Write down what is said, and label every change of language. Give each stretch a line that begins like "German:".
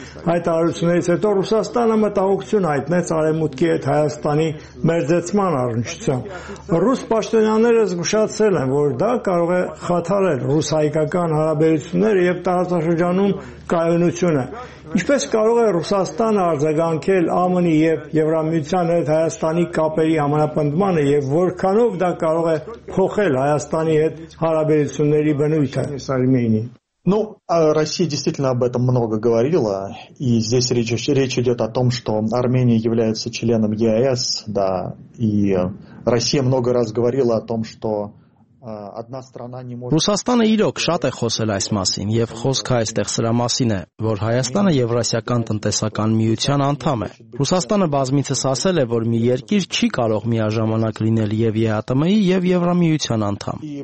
Armenian: հայտարարություններից հետո Ռուսաստանը մտահոգություն հայտնեց արեմուտքի հետ Հայաստանի մերձեցման առնչությամբ։ Ռուս պաշտոնյաները զգուշացրել են, որ դա կարող է խաթարել ռուս-հայկական հարաբերությունները և տարածաշրջանում կայունությունը։ Ինչպես կարող է Ռուսաստանը արձագանքել ԱՄՆ-ի և Եվրամիության հետ Հայաստանի կապերի համապնդմանը և որքանով դա կարող է փոխել Հայաստանի հետ հարաբերությունների բնույթը։
Russian: Ну, Россия действительно об этом много говорила, и здесь речь идет о том, что Армения является членом ЕАЭС, да, и Россия много раз говорила о том, что
Armenian: Ռուսաստանը իրոք շատ է խոսել այս մասին, և խոսքը այստեղ սրա մասին է, որ Հայաստանը Եվրասիական տնտեսական միության անդամ է։ Ռուսաստանը բազմիցս ասել է, որ մի երկիր չի կարող միաժամանակ լինել և ԵԱՏՄ-ի, և Եվրամիության անդամ։